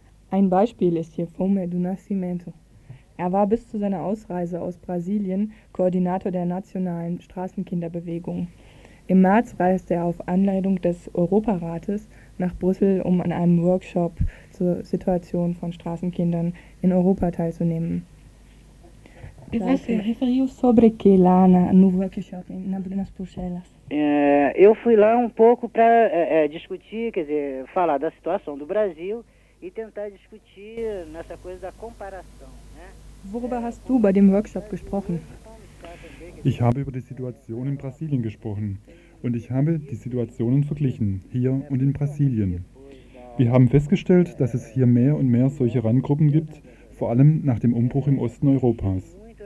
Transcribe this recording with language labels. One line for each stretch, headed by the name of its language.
German: Ein Beispiel ist hier Fome do Nascimento. Er war bis zu seiner Ausreise aus Brasilien Koordinator der nationalen Straßenkinderbewegung. Im März reiste er auf Anleitung des Europarates nach Brüssel, um an einem Workshop zur Situation von Straßenkindern in Europa teilzunehmen.
Portuguese: Você referiu sobre que lá no workshop, na Brunas Puxelas? Eu fui lá um pouco para discutir, quer dizer, falar da situação do Brasil e tentar discutir nessa coisa da comparação.
German: Worüber hast du bei dem Workshop gesprochen? Ich habe über die Situation in Brasilien gesprochen und ich habe die Situationen verglichen, hier und in Brasilien. Wir haben festgestellt, dass es hier mehr und mehr solche Randgruppen gibt, vor allem nach dem Umbruch im Osten Europas.